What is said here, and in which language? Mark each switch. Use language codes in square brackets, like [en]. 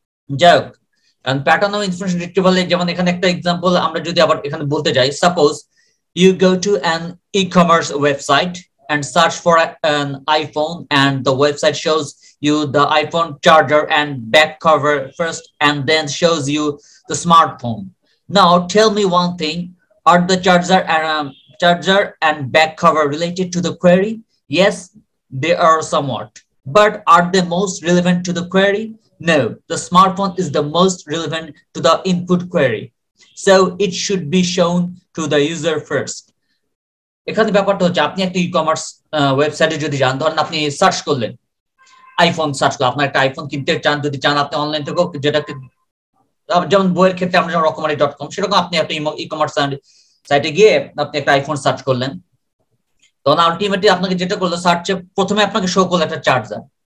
[bn] যাই হোক, pattern of information রিট্রিভালে যেমন এখানে একটা এক্সাম্পল আমরা যদি আবার এখানে বলতে যাই, [en] Suppose you go to an e commerce website and search for an iPhone and the website shows you the iPhone charger and back cover first and then shows you the smartphone. Now tell me one thing, are the charger and back cover related to the query? Yes, they are somewhat, but are they most relevant to the query? No, the smartphone is the most relevant to the input query, so it should be shown to the user first. [bn] এখানে ব্যাপারটা হচ্ছে, আপনি একটা e-commerce ওয়েবসাইটে যদি যান, ধরুন আপনি সার্চ করলেন আইফোন, সার্চ করলো আপনার একটা আইফোন কিনতে চান, যদি চান আপনি অনলাইন থেকেও, যেটাকে যেমন বইয়ের ক্ষেত্রে আমরা যেমন rockmari.com, সেরকম আপনি একটা ই কমার্স সাইটে গিয়ে আপনি একটা আইফোন সার্চ করলেন, তখন আলটিমেটলি আপনাকে যেটা করলো সার্চে প্রথমে আপনাকে শো করলো একটা চার্জার,